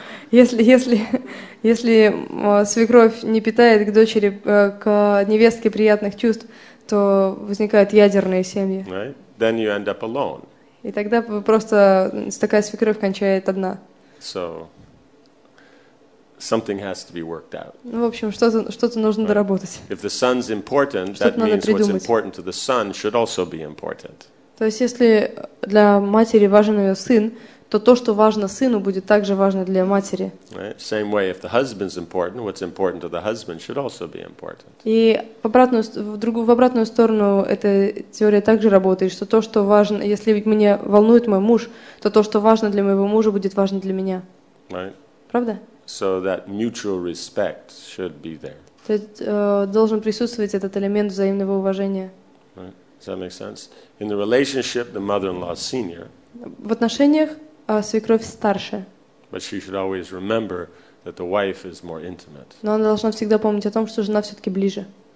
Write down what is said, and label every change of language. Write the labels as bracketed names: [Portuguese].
[Russian] Если свекровь не питает к дочери, к невестке приятных чувств, то возникают ядерные семьи. [English] Right? Then you end up alone. [Russian] И тогда просто такая свекровь кончает одна. [English] So something has to be worked out. [Russian] Ну, в общем, что-то нужно доработать. [English] If the son's important, that means what's important to the son should also be important. [Russian] То есть, если для матери важен ее сын, то то, что важно сыну, будет также важно для матери. [English] Right? Same way, if the husband's important, what's important to the husband should also be important. [Russian] И в обратную сторону эта теория также работает, что то, что важно, если меня волнует мой муж, то что важно для моего мужа, будет важно для меня. [English] Right? [Russian] Правда? [English] So that mutual respect should be there. [Russian] То есть должен присутствовать этот элемент взаимного уважения. [English] Right? Does that make sense? In the relationship, the mother-in-law is senior. [Russian] В отношениях свекровь старше. [English] But she should always remember that the wife is more intimate. [Russian] Но она должна всегда помнить о том, что жена все-таки ближе.